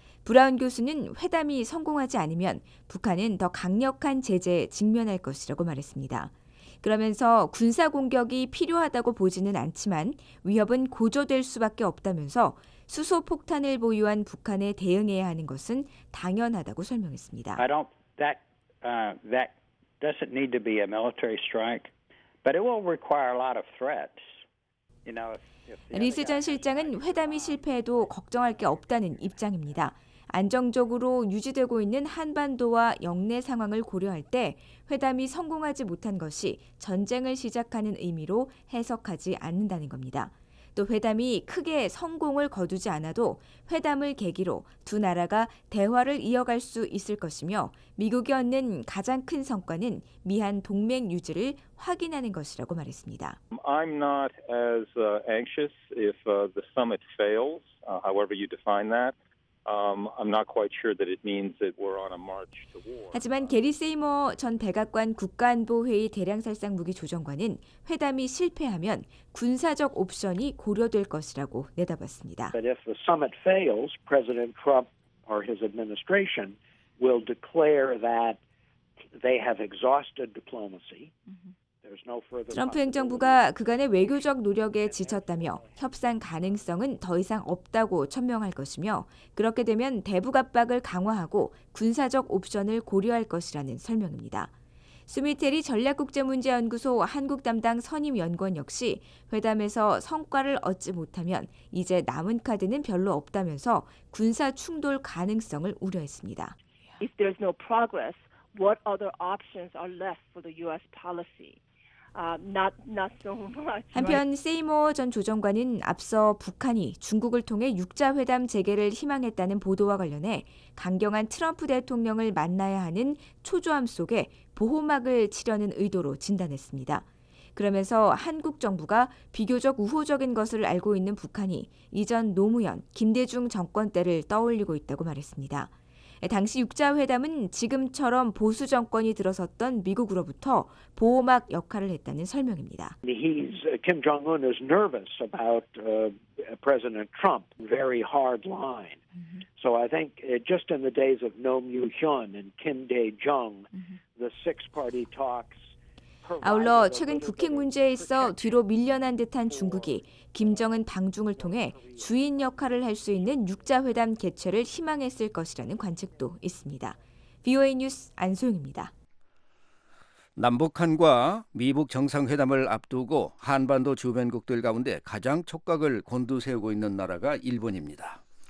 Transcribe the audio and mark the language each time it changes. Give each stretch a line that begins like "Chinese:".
Korean: 브라운 교수는 회담이 성공하지 않으면 북한은 더 강력한 제재에 직면할 것이라고 말했습니다. 그러면서 군사 공격이 필요하다고 보지는 않지만 위협은 고조될 수밖에 없다면서 수소폭탄을 보유한 북한에 대응해야 하는 것은 당연하다고 설명했습니다.
English: I don't that doesn't need to be a military strike, but it will require a lot of threats. You know, if
Korean: 리스 전 실장은 회담이 실패해도 걱정할 게 없다는 입장입니다. 안정적으로 유지되고 있는 한반도와 영내 상황을 고려할 때 회담이 성공하지 못한 것이 전쟁을 시작하는 의미로 해석하지 않는다는 겁니다. 또 회담이 크게 성공을 거두지 않아도 회담을 계기로 두 나라가 대화를 이어갈 수 있을 것이며 미국이 얻는 가장 큰 성과는 미한 동맹 유지를 확인하는 것이라고 말했습니다.
English: I'm not as anxious if the summit fails, however you define that. I'm not quite sure that it means that we're on a march to war.
Korean: 하지만 게리 세이머 전 백악관 국가안보회의 대량살상무기 조정관은 회담이 실패하면 군사적 옵션이 고려될 것이라고 내다봤습니다.
English: But if the summit fails, President Trump or his administration will declare that they have exhausted diplomacy.
Korean: 트럼프 행정부가 그간의 외교적 노력에 지쳤다며 협상 가능성은 더 이상 없다고 천명할 것이며 그렇게 되면 대북 압박을 강화하고 군사적 옵션을 고려할 것이라는 설명입니다. 수미테리 전략국제문제연구소 한국담당 선임연구원 역시 회담에서 성과를 얻지 못하면 이제 남은 카드는 별로 없다면서 군사 충돌 가능성을 우려했습니다.
English: If there's no progress, what other options are left for the U.S. policy? Not so much.
Korean: 한편 세이머 전 조정관은 앞서 북한이 중국을 통해 6자회담 재개를 희망했다는 보도와 관련해 강경한 트럼프 대통령을 만나야 하는 초조함 속에 보호막을 치려는 의도로 진단했습니다. 그러면서 한국 정부가 비교적 우호적인 것을 알고 있는 북한이 이전 노무현, 김대중 정권 때를 떠올리고 있다고 말했습니다. 당시 육자회담은 지금처럼 보수 정권이 들어섰던 미국으로부터 보호막 역할을 했다는 설명입니다.
English: Kim Jong-un is nervous about President Trump, very hard line. So I think just in the days of Noh Myu Hyun and Kim Dae-jung, the six-party talks.
Korean: 아울러 최근 북핵 문제에 있어 뒤로 밀려난 듯한 중국이 김정은 방중을 통해 주인 역할을 할 수 있는 육자회담 개최를 희망했을 것이라는 관측도 있습니다. VOA 뉴스 안소영입니다. 남북한과 미북 정상회담을 앞두고 한반도 주변국들 가운데 가장 촉각을 곤두세우고 있는 나라가 일본입니다.